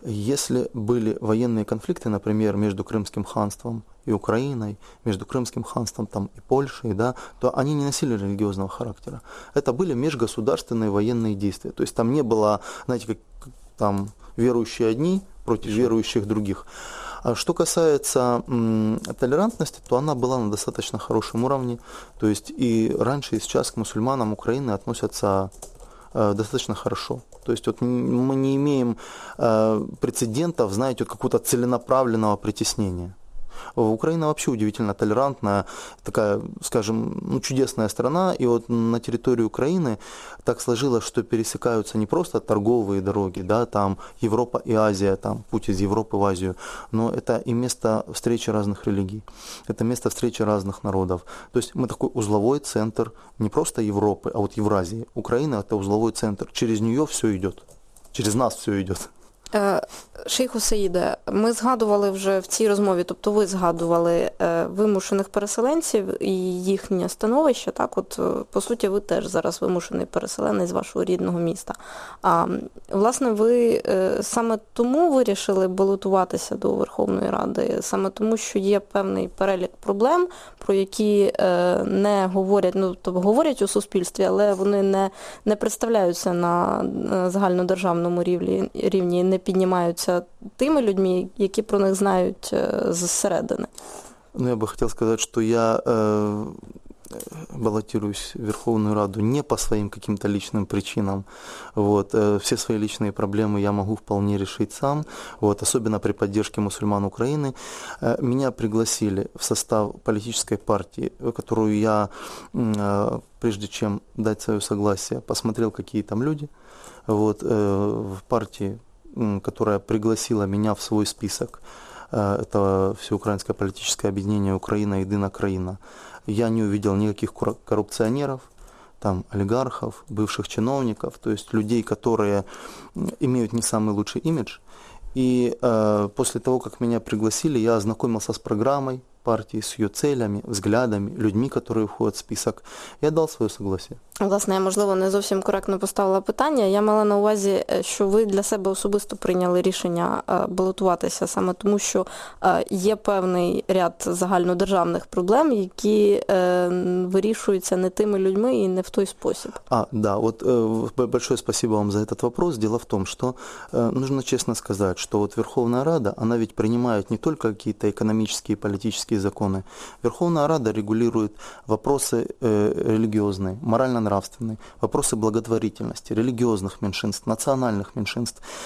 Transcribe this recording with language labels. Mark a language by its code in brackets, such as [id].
[uk] Якщо були воєнні конфлікти, наприклад, між Кримським ханством і Україною, між Кримським ханством там і Польщею, да, то вони не носили релігіозного характеру. Це були міжгосударственні воєнні дії. Тобто там не було, знаєте, як там віруючі одні проти віруючих інших. [ru] Что касается толерантности, то она была на достаточно хорошем уровне. То есть и раньше, и сейчас к мусульманам Украины относятся достаточно хорошо. То есть вот мы не имеем прецедентов, знаете, вот какого-то целенаправленного притеснения. Украина вообще удивительно толерантная, такая, скажем, ну, чудесная страна. И вот на территории Украины так сложилось, что пересекаются не просто торговые дороги, да, там Европа и Азия, там путь из Европы в Азию, но это и место встречи разных религий, это место встречи разных народов. То есть мы такой узловой центр не просто Европы, а вот Евразии. Украина – это узловой центр. Через нее все идет, через нас все идет. [uk] Шейху Саїде, ми згадували вже в цій розмові, тобто ви згадували вимушених переселенців і їхнє становище, так? От, по суті, ви теж зараз вимушений переселенець з вашого рідного міста. А, власне, ви саме тому вирішили балотуватися до Верховної Ради, саме тому, що є певний перелік проблем, про які не говорять, ну, тобто говорять у суспільстві, але вони не представляються на загальнодержавному рівні, не піднімаються тими людьми, які про них знають зсередини. Ну, я би хотів сказати, що я балотируюсь в Верховну Раду не по своїм каким-то личним причинам. Вот. Всі свої личні проблеми я можу вполне рішити сам, вот. Особливо при підтримці мусульман України. Мене пригласили в состав політичної партії, яку я, прежде чем дати своє согласие, посмотрел, які там люди. Вот. [ru] В партії, которая пригласила меня в свой список, это Всеукраинское политическое объединение «Украина, Едина Краина», я не увидел никаких коррупционеров, там, олигархов, бывших чиновников, то есть людей, которые имеют не самый лучший имидж. И после того, как меня пригласили, я ознакомился с программой партії, [uk] з її целями, взглядами, людьми, які входять в список. Я дав своє согласие. Власне, я, можливо, не зовсім коректно поставила питання. Я мала на увазі, що ви для себе особисто прийняли рішення балотуватися саме тому, що є певний ряд загальнодержавних проблем, які вирішуються не тими людьми і не в той спосіб. А, да. [ru] От, большое спасибо вам за этот вопрос. Дело в том, что нужно честно сказать, что вот Верховная Рада, она ведь принимает не только какие-то экономические и политические законы. Верховная Рада регулирует вопросы религиозные, морально-нравственные, вопросы благотворительности, религиозных меньшинств, национальных меньшинств.